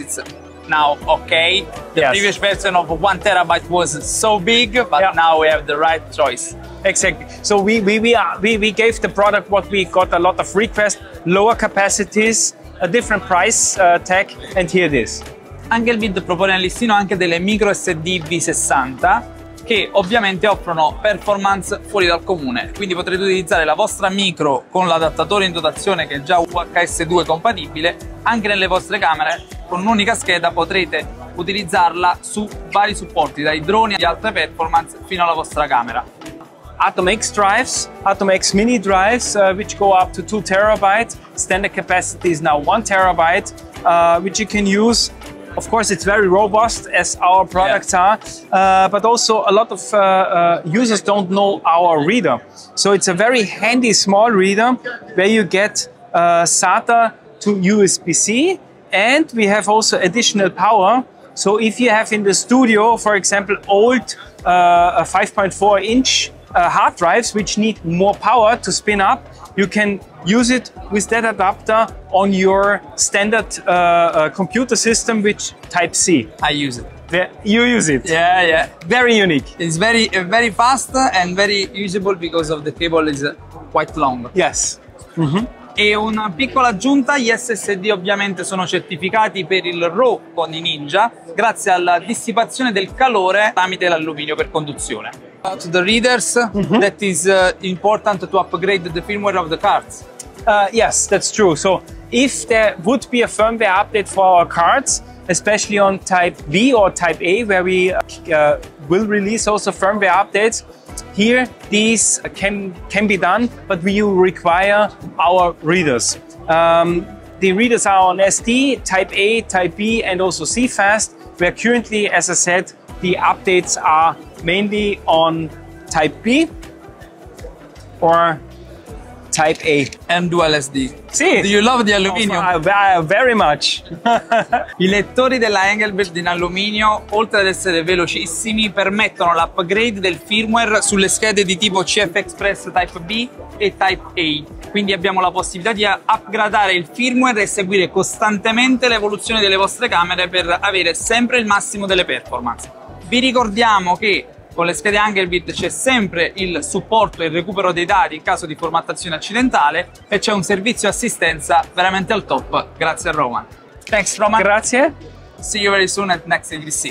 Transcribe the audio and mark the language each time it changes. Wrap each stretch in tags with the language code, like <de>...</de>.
<en>It's now okay. The previous version of 1 terabyte was so big, but now we have the right choice. Exactly. So we gave the product what we got a lot of requests: lower capacities, a different price tag, and here it is.</en> <it>Angelbird propone al listino anche delle micro SD V60. Che ovviamente offrono performance fuori dal comune, quindi potrete utilizzare la vostra micro con l'adattatore in dotazione che è già UHS-II compatibile anche nelle vostre camere. Con un'unica scheda potrete utilizzarla su vari supporti, dai droni di alta performance fino alla vostra camera.</it> <en>Atom X drives, Atom X mini drives which go up to 2 terabyte, standard capacity is now 1 terabyte which you can use. Of course, it's very robust, as our products are, but also a lot of users don't know our reader. So it's a very handy small reader where you get SATA to USB-C, and we have also additional power. So if you have in the studio, for example, old 5.4-inch hard drives which need more power to spin up, you can use it with that adapter on your standard computer system, which type C. I use it. You use it? Yeah, yeah. Very unique. It's very, very fast and very usable because of the cable is quite long. Yes. Mm-hmm.</en> <it>E una piccola aggiunta, gli SSD ovviamente sono certificati per il RAW con i Ninja, grazie alla dissipazione del calore tramite l'alluminio per conduzione.</it> <en>To the readers, mm-hmm. that is important to upgrade the firmware of the cards. Yes, that's true. So if there would be a firmware update for our cards, especially on type B or type A, where we will release also firmware updates, here these can be done, but we require our readers. The readers are on SD, type A, type B, and also CFast, where currently, as I said, the updates are mainly on type B or type A. And dual SD.</en> <it>Sì.</it> <en>Do you love the aluminium? Very much.</en> <it>I lettori della Angelbird in alluminio, oltre ad essere velocissimi, permettono l'upgrade del firmware sulle schede di tipo CF Express Type B e Type A. Quindi abbiamo la possibilità di upgradare il firmware e seguire costantemente l'evoluzione delle vostre camere per avere sempre il massimo delle performance. Vi ricordiamo che con le schede Angelbird c'è sempre il supporto e il recupero dei dati in caso di formattazione accidentale e c'è un servizio assistenza veramente al top. Grazie a Roman.</it> <en>Thanks Roman.</en> <it>Grazie.</it> <en>See you very soon at next IBC.</en>